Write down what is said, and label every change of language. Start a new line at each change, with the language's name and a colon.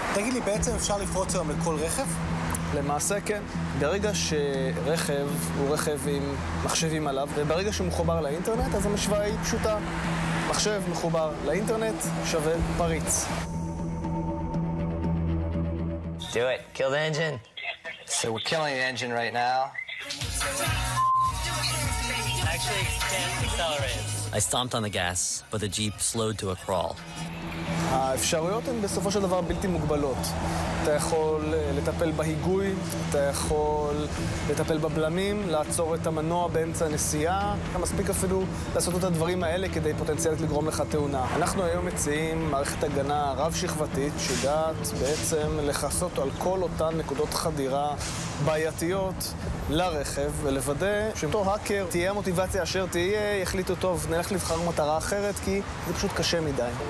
Hebrew: תגיד לי, בעצם אפשר לפרוץ היום לכל רכב? למעשה כן. ברגע שרכב הוא רכב עם מחשבים עליו, וברגע שהוא מחובר לאינטרנט, אז המשוואה היא פשוטה. מחשב מחובר לאינטרנט שווה פריץ.
English: Do it. Kill the engine. So we're killing the engine right now. I stomped on the gas, but the Jeep slowed to a crawl.
Hebrew: האפשרויות הן בסופו של דבר בלתי מוגבלות. אתה יכול לטפל בהיגוי, אתה יכול לטפל בבלמים, לעצור את המנוע באמצע הנסיעה. אתה מספיק אפילו לעשות את הדברים האלה כדי פוטנציאלית לגרום לך תאונה. אנחנו היום מציעים מערכת הגנה רב-שכבתית שיודעת בעצם לחסות על כל אותן נקודות חדירה בעייתיות לרכב ולוודא שאותו האקר, תהיה המוטיבציה אשר תהיה, יחליטו טוב, נלך לבחר מטרה אחרת כי זה פשוט קשה מדי.